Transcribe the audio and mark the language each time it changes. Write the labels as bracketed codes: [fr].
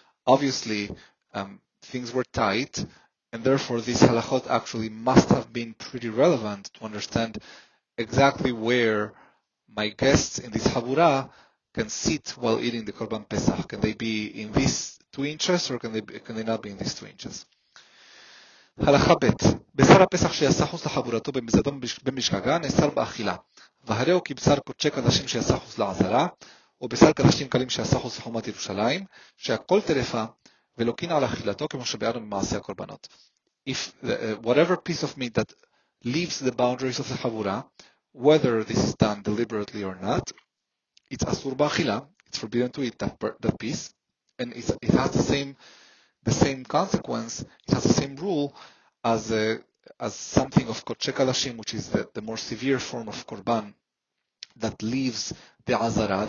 [en] Obviously, things were tight, and therefore this halachot actually must have been pretty relevant to understand exactly where my guests in this habura can sit while eating the Korban Pesach. Can they be in these 2 inches, or can they not be in these 2 inches? [he] הלכה ב' בשר הפסח שיעשה חוץ לחבורתו במזדו במשגגה נאסר באכילה, והרי הוא כבשר קודשי קדשים שיעשה חוץ לעזרה, או בשר קדשים קלים שיעשה חוץ לחומת ירושלים, שהכל טרפה ולא קינה על אכילתו כמו שביארנו במעשי הקורבנות. [en] If whatever piece of meat that leaves the boundaries of the חבורה, whether this is done deliberately or not, it's [he] אסור באכילה, [en] it's forbidden to eat that piece, and it has the same consequence, it has the same rule as something of kodesh kadashim, which is the more severe form of korban that leaves the azara.